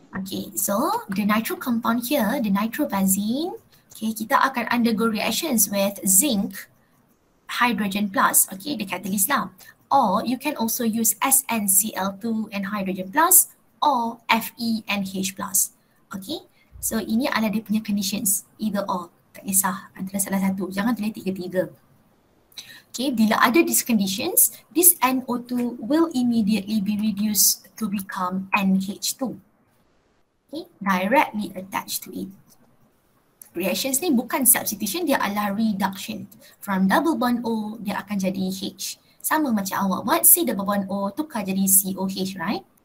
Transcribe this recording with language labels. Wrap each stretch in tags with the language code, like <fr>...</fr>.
<en>Okay, so the nitro compound here, the nitrobenzene. Okay,</en> <ms>kita akan</ms> <en>undergo reactions with zinc hydrogen plus, okay, the catalyst lah. Or you can also use SnCl2 and hydrogen plus or FeNH plus.</en> <ms>Okay, so ini adalah dia punya conditions, either or, tak kisah antara salah satu, jangan tulis tiga-tiga.</ms> <en>Okay, bila ada these conditions, this NO2 will immediately be reduced to become NH2. Okay, directly attached to it.</en> <ms>Reactions ni bukan substitution, dia adalah reduction. From double bond O, dia akan jadi H. Sama macam awak buat C double bond O tukar jadi COH, right?</ms>